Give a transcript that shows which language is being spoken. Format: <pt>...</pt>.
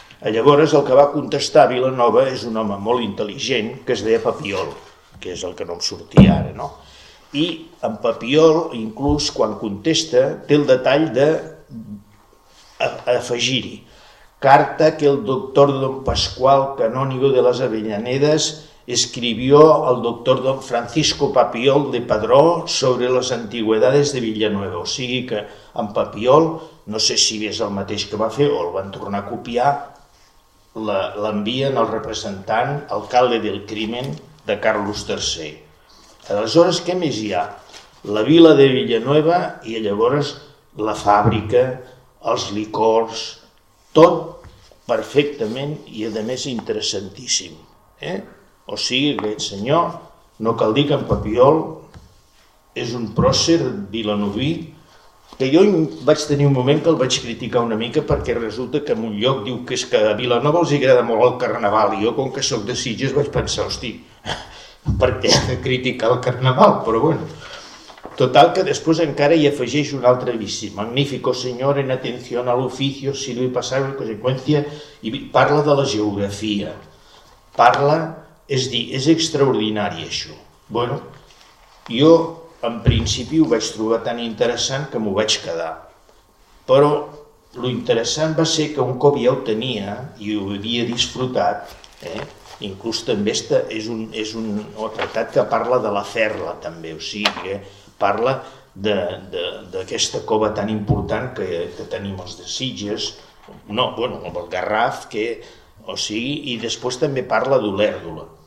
<ca>Llavors el que va contestar Vilanova és un home molt intel·ligent que es deia Papiol, que és el que no em sortia ara, no? I en Papiol, inclús quan contesta, té el detall d'afegir-hi.</ca> <es>Carta que el doctor don Pascual, canónigo de las Avellanedas, escribió al doctor don Francisco Papiol de Padró sobre las antigüedades de Villanueva.</es> <ca>O sigui que en Papiol, no sé si és el mateix que va fer o el van tornar a copiar, l'envien al representant, alcalde del crimen de Carlos III. Aleshores, què més hi ha? La vila de Villanueva i llavors la fàbrica, els licors, tot perfectament i a més interessantíssim. O sigui, aquest senyor, no cal dir que en Papiol és un pròcer vilanoví, que jo vaig tenir un moment que el vaig criticar una mica perquè resulta que en un lloc diu que és que a Vilanova els agrada molt el carnaval i jo, com que sóc de Sitges, vaig pensar, hosti, per què de criticar el carnaval, però bueno. Total, que després encara hi afegeix un altre vici.</ca> <es>Magnífico señor, en atención al oficio, si lo he pasado en consecuencia,</es> <ca>i parla de la geografia. Parla, és dir, és extraordinari això. Bueno, jo en principi ho vaig trobar tan interessant que m'ho vaig quedar. Però lo interessant va ser que un cop ja ho tenia i ho havia disfrutat, inclús també és un tractat que parla de la Ferla també, o sigui, parla d'aquesta cova tan important que tenim els de Sitges, no, bueno, el Garraf, que, o sigui, i després també parla d'Olèrdola.</ca>